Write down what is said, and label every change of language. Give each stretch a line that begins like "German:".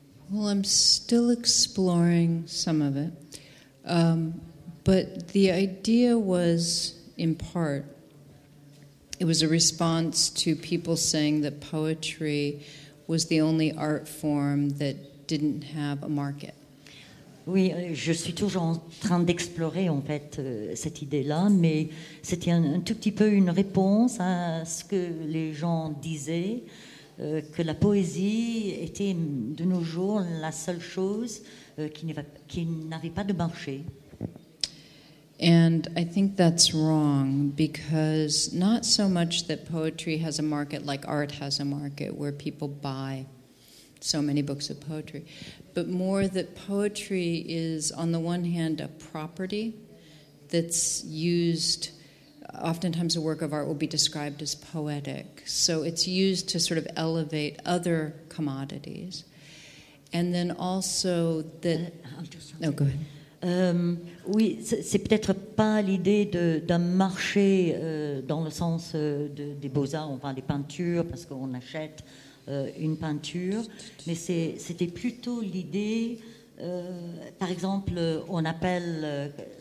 English: Well, I'm still exploring some of it, but the idea was, in part, it was a response to people saying that poetry was the only art form that didn't have a market.
French: Oui, je suis toujours en train d'explorer, en fait, cette idée-là, mais c'était un tout petit peu une réponse à ce que les gens disaient, que la poésie était, de nos jours, la seule chose qui n'avait pas de marché.
English: And I think that's wrong, because not so much that poetry has a market like art has a market, where people buy so many books of poetry, but more that poetry is, on the one hand, a property that's used. Oftentimes a work of art will be described as poetic. So it's used to sort of elevate other commodities. And then also that... No, go ahead.
French: Oui, c'est peut-être pas l'idée d'un marché dans le sens des beaux-arts. On vend des peintures parce qu'on achète une peinture. Mais c'était plutôt l'idée... par exemple, on appelle...